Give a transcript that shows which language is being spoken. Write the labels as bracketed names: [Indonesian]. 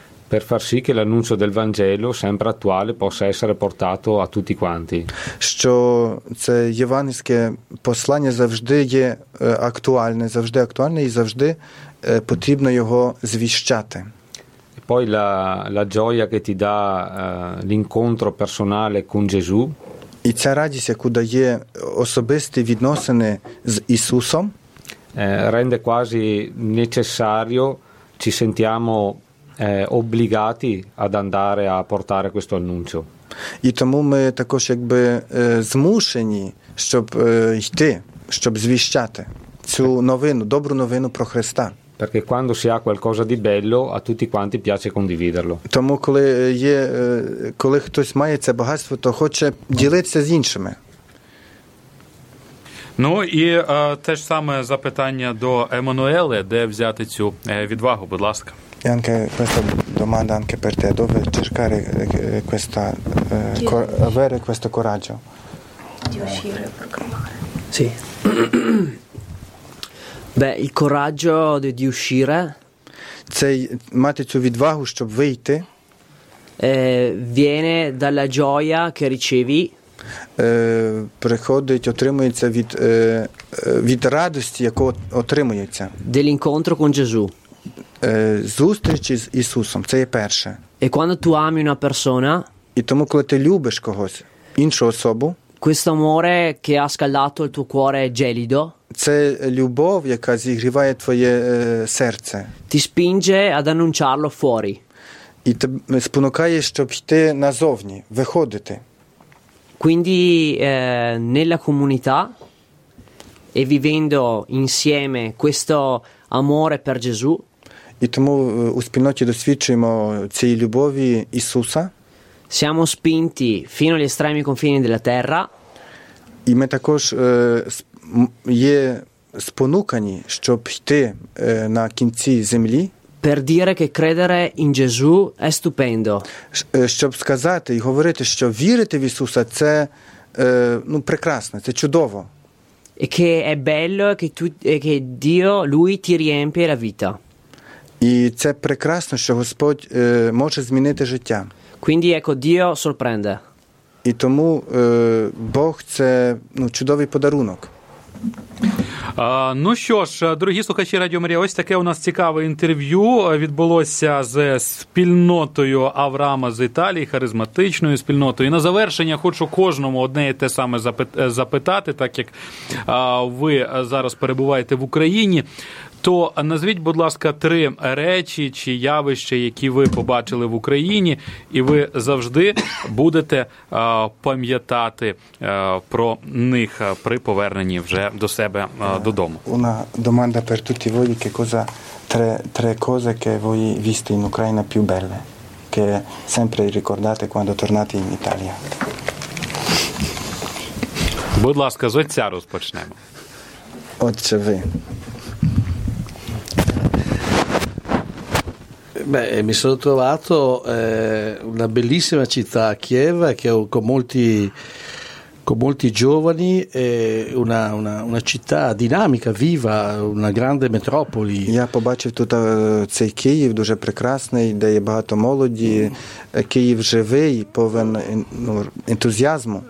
[Italian] per far sì che l'annuncio del Vangelo sempre attuale possa essere portato a tutti quanti. [Ukrainian] Що це євангельське послання завжди є актуальне, завжди актуальне і завжди потрібно його звіщати. [Italian] E poi la gioia che ti dà l'incontro personale con Gesù. [Ukrainian] І ця радість, яку дає особисті відносини з Ісусом. [Italian] Rende quasi necessario, ci sentiamo obbligati ad andare a portare questo annuncio. [Ukrainian] І тому ми також якби змушені, щоб йти, щоб звіщати цю новину, добру новину про Христа. [Italian] Perché quando si ha qualcosa di bello, a tutti quanti piace condividerlo. [Ukrainian] Тому коли є, коли хтось має це багатство, то хоче ділитися з іншими. Ну і те ж саме запитання до Еммануеле, де взяти цю відвагу, будь ласка. [Italian] Anche questa domanda anche per te, dove cercare questa avere questo coraggio? Di uscire per campare. Sì. Beh, il coraggio di uscire, [Ukrainian] це мати цю відвагу, щоб вийти, [Italian] viene dalla gioia che ricevi. [Ukrainian] Приходить, отримується від радості, яку отримується. [Italian] Dell'incontro con Gesù. [Ukrainian] Зустрічі з Ісусом, це є перше. [Italian] E quando tu ami una persona, [Ukrainian] і тому, коли ти любиш когось, іншу особу, [Italian] questo amore che ha scaldato il tuo cuore gelido, [Ukrainian] це любов, яка зігріває твоє серце, [Italian] ti spinge ad annunciarlo fuori. [Ukrainian] І ти спонукає, щоб йти назовні, виходити. [Italian] Quindi nella comunità e vivendo insieme questo amore per Gesù. [Ukrainian] І тому у спільноті досвідчуємо цієї любові Ісуса. [Italian] Siamo spinti fino agli estremi confini della terra. [Ukrainian] І ми також є спонукані, щоб йти на кінці землі. [Italian] Per dire che credere in Gesù è stupendo. [Ukrainian] Щоб сказати і говорити, що вірити в Ісуса – це прекрасно, це чудово. [Italian] E che è bello che Dio, Lui ti riempie la vita. [Ukrainian] І це прекрасно, що Господь може змінити життя. [Italian] Quindi ecco, Dio sorprende. [Ukrainian] І тому Бог – це чудовий подарунок. Ну що ж, дорогі слухачі Радіо Марія, ось таке у нас цікаве інтерв'ю відбулося з спільнотою Авраама з Італії, харизматичною спільнотою. І на завершення хочу кожному одне і те саме запитати, так як ви зараз перебуваєте в Україні. То назвіть, будь ласка, три речі чи явища, які ви побачили в Україні, і ви завжди будете пам'ятати про них при поверненні вже до себе додому. [Italian] Una domanda per tutti voi, che cosa tre cose che voi viste in Ucraina più belle, che sempre ricordate quando tornate in Italia. [Ukrainian] Будь ласка, з отця розпочнемо. Отче, ви. [Italian] Beh, mi sono trovato una bellissima città, Kiev, che ho con molti giovani, una città dinamica, viva, una grande metropoli. [Ukrainian] Я побачив тут цей Київ дуже прекрасний, де є багато молоді. Київ живий, повен ентузіазму.